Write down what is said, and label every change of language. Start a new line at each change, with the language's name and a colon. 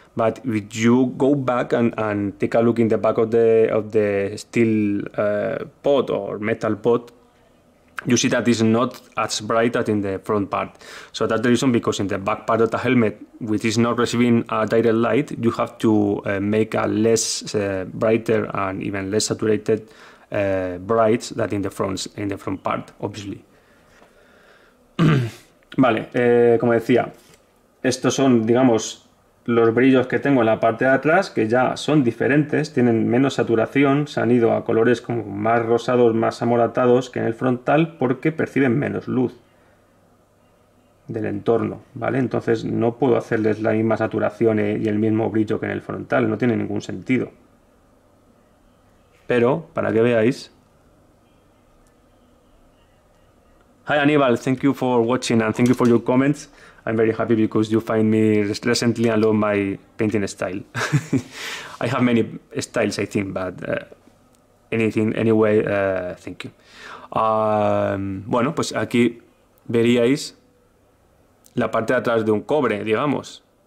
English: But if you go back and take a look in the back of the steel pot or metal pot, you see that it's not as bright as in the front part. So that's the reason, because in the back part of the helmet, which is not receiving a direct light, you have to make a less brighter and even less saturated bright than in the front part, obviously.
Spanish: Vale, como decía, estos son, digamos, los brillos que tengo en la parte de atrás, que ya son diferentes, tienen menos saturación, se han ido a colores como más rosados, más amoratados que en el frontal, porque perciben menos luz del entorno, ¿vale? Entonces no puedo hacerles la misma saturación y el mismo brillo que en el frontal, no tiene ningún sentido. Pero, para que veáis...
English: Hi Aníbal, thank you for watching and thank you for your comments. I'm very happy because you find me recently and love my painting style. I have many styles, I think, but anyway, thank you.
Spanish: Bueno, pues aquí veríais la parte de atrás de un cobre, digamos.